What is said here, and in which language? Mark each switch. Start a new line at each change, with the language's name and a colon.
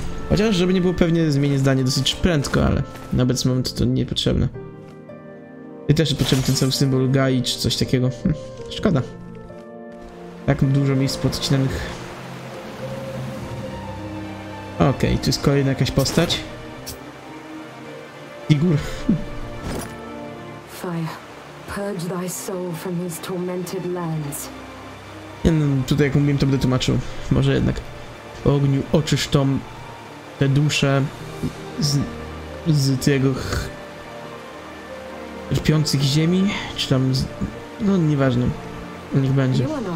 Polish: Chociaż, żeby nie było, pewnie zmienię zdanie dosyć prędko, ale na obecny moment to niepotrzebne. I też potrzebny ten cały symbol Gai czy coś takiego. Szkoda. Tak dużo miejsc podcinanych. Okej, tu jest kolejna jakaś postać. Igor.
English: Fire. Purge thy soul from his tormented lands.
Polish: Nie, no, tutaj jak mówiłem, to będę tłumaczył. Może jednak. Po ogniu oczysz tą te dusze z tego rpiących ziemi, czy tam z, no nieważne, niech będzie.